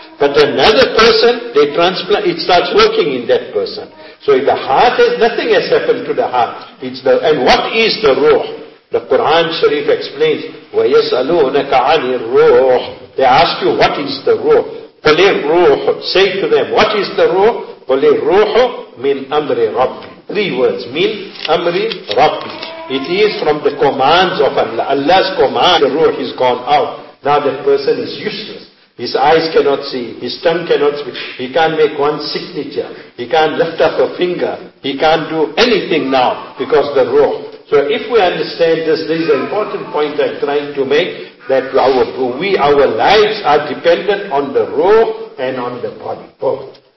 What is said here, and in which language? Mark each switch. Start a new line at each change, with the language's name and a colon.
English: But another person, they transplant, it starts working in that person. So if the heart has, nothing has happened to the heart. And what is the ruh? The Quran Sharif explains,
Arabic: وَيَسْأَلُونَكَ عَنِ الرُّوحِ.
English: They ask you, what is the ruh?
Arabic: قُلِ الرُّوحُ.
English: Say to them, what is the ruh?
Arabic: قُلِ الرُّوحُ مِنْ أَمْرِ رَبِّ.
English: Three words,
Arabic: مِنْ أَمْرِ رَبِّ.
English: It is from the commands of Allah. Allah's command, the ruh is gone out. Now that person is useless. His eyes cannot see. His tongue cannot speak. He can't make one signature. He can't lift up a finger. He can't do anything now because the ruh. So if we understand this, this is an important point I'm trying to make, that our lives are dependent on the ruh and on the body, both.